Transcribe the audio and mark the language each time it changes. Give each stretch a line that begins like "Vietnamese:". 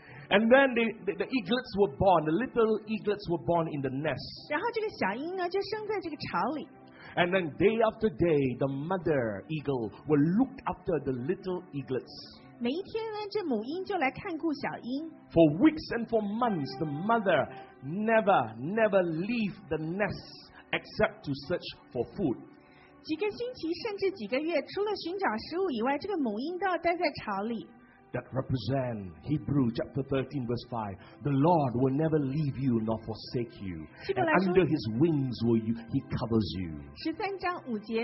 English: And then the eaglets were born, the little eaglets were born in the nest.
Chinese: 然后这个小鹰呢，就生在这个巢里。
English: And then day after day, the mother eagle will look after the little eaglets.
Chinese: 每一天呢，这母鹰就来看顾小鹰。
English: For weeks and for months, the mother never leave the nest except to search for food.
Chinese: 几个星期甚至几个月，除了寻找食物以外，这个母鹰都要待在巢里。
English: That represents Hebrews chapter 13 verse 5. The Lord will never leave you nor forsake you. And under His wings will you, He covers you.